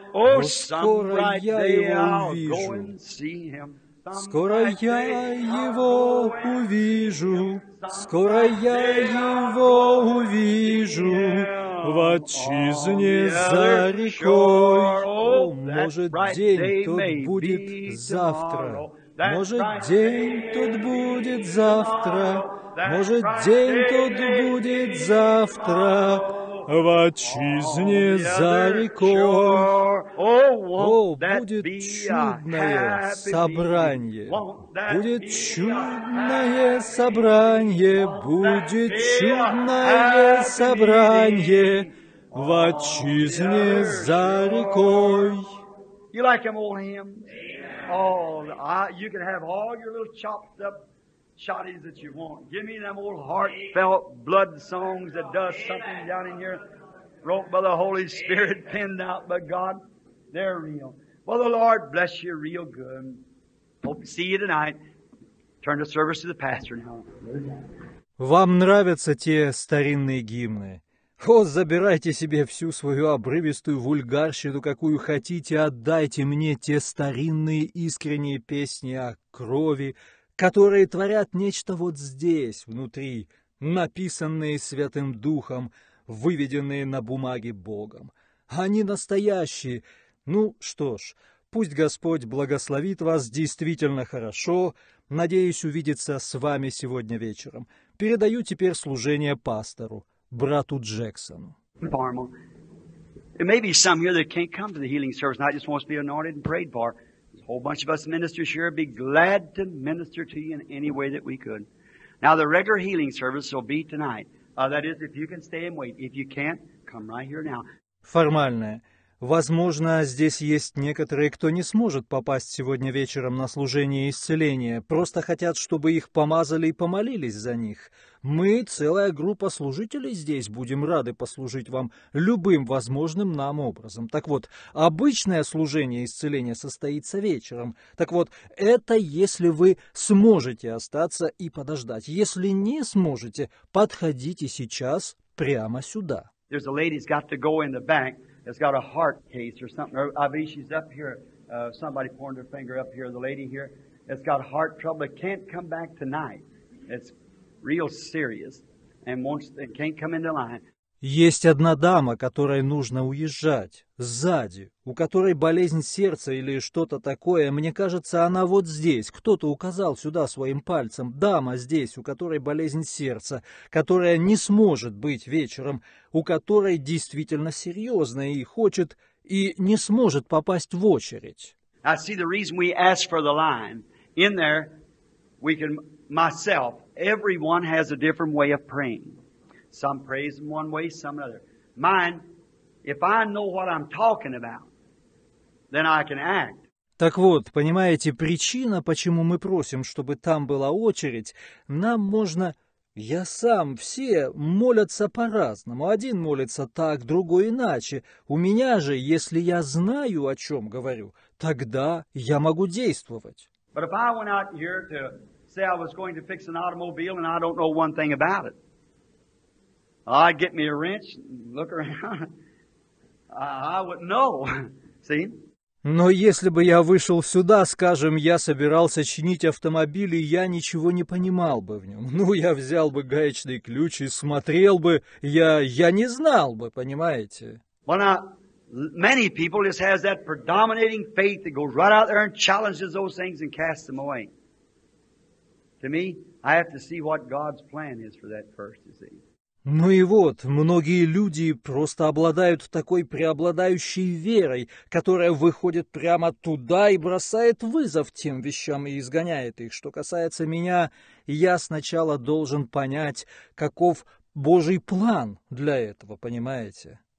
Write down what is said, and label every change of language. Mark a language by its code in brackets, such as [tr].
[en] oh, some bright day I'll go and see him. [ru] Скоро я его увижу, скоро я его увижу в отчизне за рекой. О, может, день тот будет завтра, может, день тот будет завтра, может, день тот будет завтра в отчизне за рекой. О, будет чудное собрание, будет чудное собрание, будет чудное собрание в отчизне за рекой. [en] You like him, old hymn? Oh, you can have all your little chopped up shotties that you want. Give me them old heartfelt blood songs that does something down in here, wrote by the Holy Spirit, penned out by God. They're real. Well, the Lord bless you real good. Hope to see you tonight. Turn the service to the pastor now. [ru] Вам нравятся те старинные гимны? О, забирайте себе всю свою обрывистую вульгарщину, какую хотите, отдайте мне те старинные искренние песни о крови, которые творят нечто вот здесь, внутри, написанные Святым Духом, выведенные на бумаге Богом. Они настоящие. Ну что ж, пусть Господь благословит вас действительно хорошо. Надеюсь увидеться с вами сегодня вечером. Передаю теперь служение пастору, брату Джексону. [en] There may be some here that can't come to the healing service, and I just want to be anointed and prayed for. A whole bunch of us ministers here would be glad to minister to you in any way that we could. Now, the regular healing service will be tonight. That is, if you can stay and wait. If you can't, come right here now. [ru] Формальное. Возможно, здесь есть некоторые, кто не сможет попасть сегодня вечером на служение исцеления, просто хотят, чтобы их помазали и помолились за них. Мы, целая группа служителей здесь, будем рады послужить вам любым возможным нам образом. Так вот, обычное служение исцеления состоится вечером. Так вот, это если вы сможете остаться и подождать. Если не сможете, подходите сейчас прямо сюда. [en] There's a lady's got to go in the bank. It's got a heart case or something. Or, I believe she's up here. Somebody pointed her finger up here, the lady here. It's got heart trouble. It can't come back tonight. It's real serious. And can't come into line. [ru] Есть одна дама, которой нужно уезжать. Сзади. У которой болезнь сердца или что-то такое. Мне кажется, она вот здесь. Кто-то указал сюда своим пальцем. Дама здесь, у которой болезнь сердца. Которая не сможет быть вечером. У которой действительно серьезно и хочет, и не сможет попасть в очередь. [en] I see the reason we ask for the line. In there, we can, myself, everyone has a different way of praying. Some praise in one way, some another. Mine, if I know what I'm talking about, then I can act. [ru] Так вот, понимаете, причина, почему мы просим, чтобы там была очередь, нам можно... Я сам, все молятся по-разному. Один молится так, другой иначе. У меня же, если я знаю, о чем говорю, тогда я могу действовать. [en] But if I went out here to say I was going to fix an automobile and I don't know one thing about it, I'd get me a wrench and look around. I wouldn't know. See? [ru] Но если бы я вышел сюда, скажем, я собирался чинить автомобиль, и я ничего не понимал бы в нем. Ну, я взял бы гаечный ключ и смотрел бы. Я не знал бы, понимаете? [en] Well, now, many people just has that predominating faith that goes right out there and challenges those things and casts them away. To me, I have to see what God's plan is for that first, you see. [ru] Ну и вот, многие люди просто обладают такой преобладающей верой, которая выходит прямо туда и бросает вызов тем вещам и изгоняет их. Что касается меня, я сначала должен понять, каков Божий план для этого, понимаете?